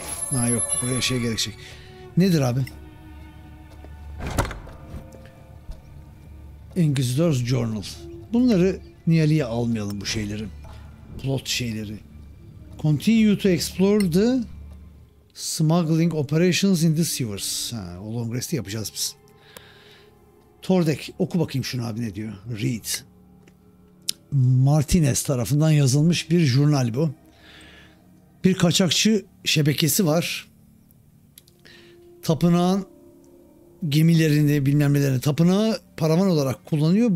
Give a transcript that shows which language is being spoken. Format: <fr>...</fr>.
<tr>Ha yok, buraya şey gerekecek. Nedir abi? Inquisitor's Journal. Bunları Niyeli'ye almayalım, bu şeyleri. Plot şeyleri.</tr> <en>Continue to explore the smuggling operations in the sewers.</en> <tr>Ha, o long rest'i yapacağız biz. Tordek, oku bakayım şunu abi, ne diyor? Read. Martinez tarafından yazılmış bir jurnal bu. Bir kaçakçı şebekesi var. Tapınağın gemilerini, bilmem nelerini, tapınağı paravan olarak kullanıyor.</tr>